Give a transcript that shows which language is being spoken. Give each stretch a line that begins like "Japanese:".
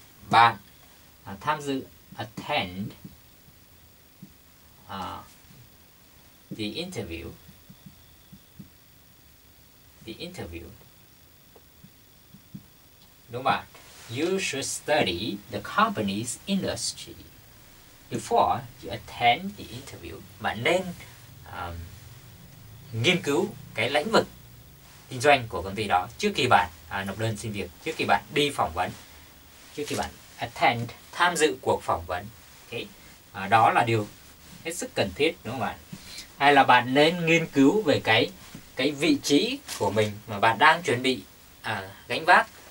Vietnamese: Bạn tham dự
English: attend the interview
Vietnamese: đúng không?
English: You should study the company's industry before you attend the interview.
Vietnamese: Bạn nên nghiên cứu cái lĩnh vực kinh doanh của công ty đó trước khi bạn nộp đơn xin việc, trước khi bạn đi phỏng vấn, trước khi bạn attend, tham dự cuộc phỏng vấn. Okay. Đó là điều hết sức cần thiết đúng không bạn? Hay là bạn nên nghiên cứu về cái vị trí của mình mà bạn đang chuẩn bị gánh vác.